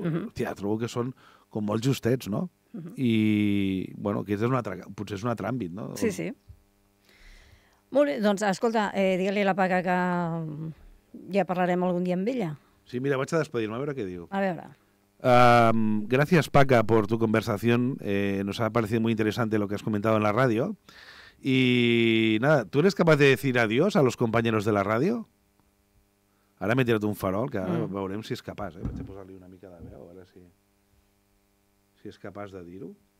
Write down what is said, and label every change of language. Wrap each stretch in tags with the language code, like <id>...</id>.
<ca>Hòstia, trobo que són com molt justets, no? I, bueno, aquest és un altre... Potser és un altre àmbit, no? Sí, sí. Molt bé, doncs, escolta, digue-li a la Paca que... Ja parlarem algun dia amb ella. Sí, mira, vaig a despedir-me, a veure què diu. A veure.</ca> <es>Gracias, Paca, por tu conversación. Nos ha parecido muy interesante lo que has comentado en la radio. Y nada, ¿tú eres capaz de decir adiós a los compañeros de la radio? Ahora me he tirado un farol,</es> <ca>que ahora veurem si és capaç. Vaig a posar-li una mica de veu, a veure si és capaç de dir-ho.</ca>